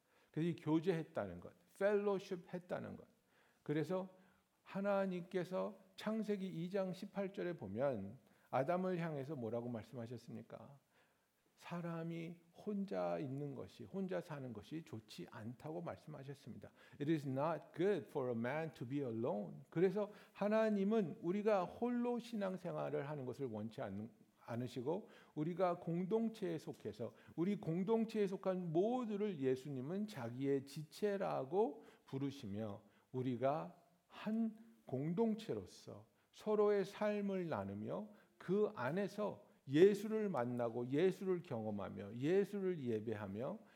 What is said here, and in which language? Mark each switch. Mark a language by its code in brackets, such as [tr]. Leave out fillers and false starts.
[ko] 그래서 이 교제했다는 것, 펠로쉽 했다는 것, 그래서 하나님께서 창세기 2장 18절에 보면 아담을 향해서 뭐라고 말씀하셨습니까? 사람이 혼자 있는 것이, 혼자 사는 것이 좋지 않다고 말씀하셨습니다. [en] It is not good for a man to be alone. [ko] 그래서 하나님은 우리가 홀로 신앙 생활을 하는 것을 원치 않으시고 우리가 공동체에 속해서 우리 공동체에 속한 모두를 예수님은 자기의 지체라고 부르시며 우리가 한 공동체로서 서로의 삶을 나누며 그 안에서 예수를 만나고 예수를 경험하며 예수를 예배하며